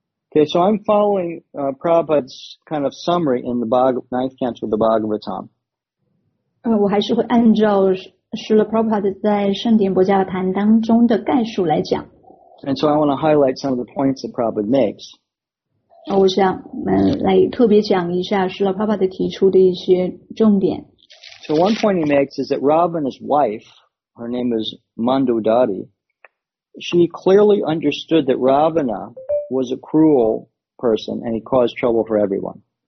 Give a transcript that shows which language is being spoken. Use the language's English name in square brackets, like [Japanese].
[English] Okay, so I'm following Prabhupada's kind of summary in the ninth canto of the Bhagavatam. [Chinese] 我还是会按照Srila Prabhupada在圣典薄伽罗坛当中的概述来讲。 [English] And so I want to highlight some of the points that Prabhupada makes. [Chinese] 我想来特别讲一下Srila Prabhupada提出的一些重点。 [English] So one point he makes is that Ravana's wife, her name is Mandodari, she clearly understood that Ravana was a cruel person and he caused trouble for everyone.